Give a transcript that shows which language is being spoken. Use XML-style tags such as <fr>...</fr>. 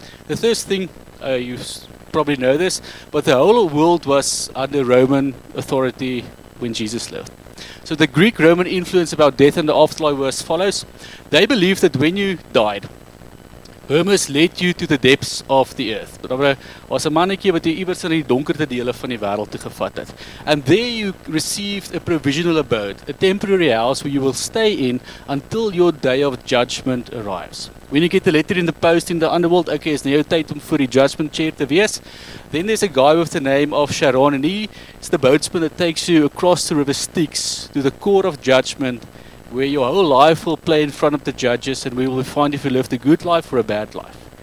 <en>The first thing, you probably know this, but the whole world was under Roman authority when Jesus lived. So the Greek-Roman influence about death and the afterlife was as follows. They believed that when you died, Hermes led you to the depths of the earth.</en> <af>Was a mannetjie wat jy iewers in die donkerte dele van die wêreld toe gevat het.</af> <en>And there you received a provisional abode, a temporary house where you will stay in until your day of judgment arrives. When you get the letter in the post in the underworld, okay, it's now time for the judgment chair to</en> <af>wees.</af> <en>Then there's a guy with the name of Sharon, and he's the boatsman that takes you across the river Styx to the court of judgment, where your whole life will play in front of the judges, and we will find if you lived a good life or a bad life.</en>